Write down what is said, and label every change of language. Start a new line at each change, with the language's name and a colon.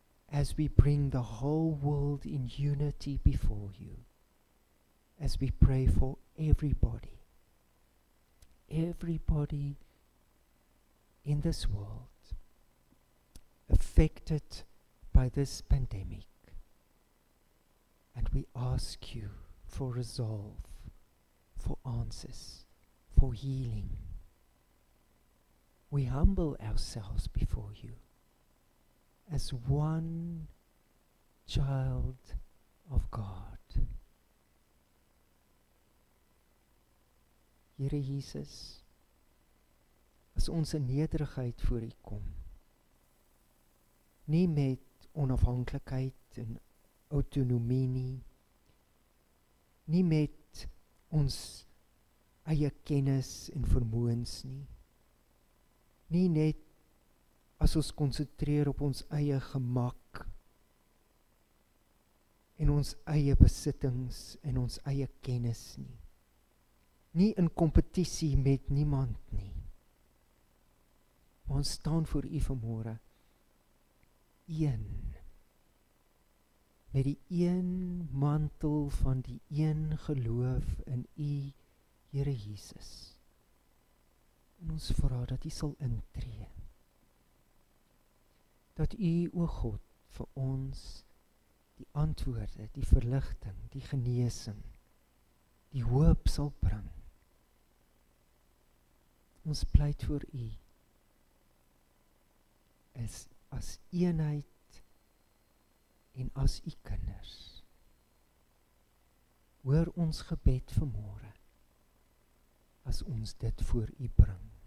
English: As we bring the whole world in unity before you, as we pray for everybody, everybody in this world affected by this pandemic, and we ask you for resolve, for answers, for healing. We humble ourselves before you as one child of God.
Afrikaans: Here Jesus, as ons in nederigheid voor u kom, nie met onafhanklikheid en autonomie nie, nie met ons eie kennis en vermoëns nie, nie net as ons konsentreer op ons eie gemak en ons eie besittings en ons eie kennis nie. Nie in kompetisie met niemand nie. Maar ons staan voor U vanmôre. Een. Met die een mantel van die een geloof in U, Here Jesus. En ons vra dat U sal intree. Dat U, o God, vir ons die antwoorde, die verligting, die genesing, die hoop sal bring. Ons pleit voor U is as eenheid en as U kinders. Hoor ons gebed vanmôre as ons dit voor U bring.